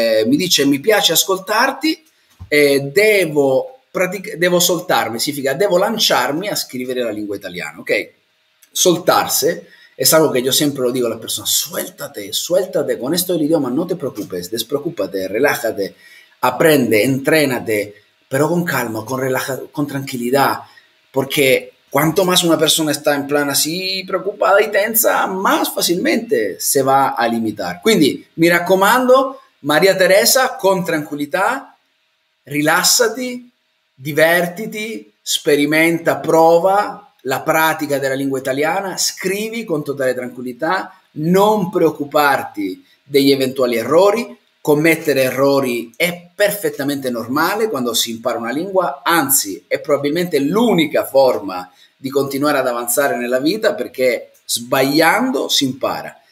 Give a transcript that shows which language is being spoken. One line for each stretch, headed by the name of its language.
Italian: Mi dice: mi piace ascoltarti, devo soltarmi, significa devo lanciarmi a scrivere la lingua italiana, ok?
Spanish: Soltarse. Es algo que yo siempre lo digo a la persona: suéltate, suéltate con esto del idioma, no te preocupes, despreocúpate, relájate, aprende, entrénate, pero con calma, con tranquilidad, porque cuanto más una persona está en plan así, preocupada y tensa, más fácilmente se va a limitar.
Italian: Quindi, mi raccomando, María Teresa,
Spanish: con tranquilidad,
Italian: rilassati, divertiti, sperimenta, prova la pratica della lingua italiana, scrivi con totale tranquillità, non preoccuparti degli eventuali errori, commettere errori è perfettamente normale quando si impara una lingua, anzi è probabilmente l'unica forma di continuare ad avanzare nella vita, perché sbagliando si impara.